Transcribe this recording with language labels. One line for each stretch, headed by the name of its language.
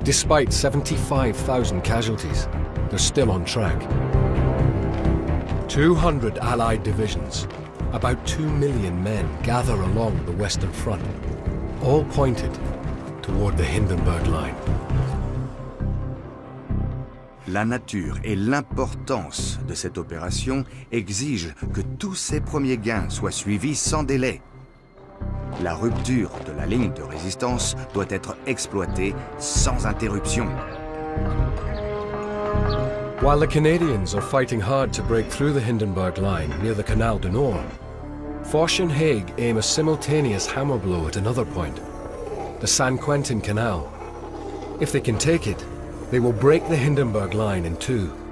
English: Despite 75,000 casualties, they're still on track. 200 Allied divisions, about 2 million men, gather along the Western Front, all pointed toward the Hindenburg Line.
French: La nature et l'importance de cette opération exigent que tous ces premiers gains soient suivis sans délai. La rupture de la ligne de résistance doit être exploitée sans interruption.
English: While the Canadians are fighting hard to break through the Hindenburg Line near the Canal du Nord, Foch and Haig aim a simultaneous hammer blow at another point, the San Quentin Canal. If they can take it, they will break the Hindenburg Line in two.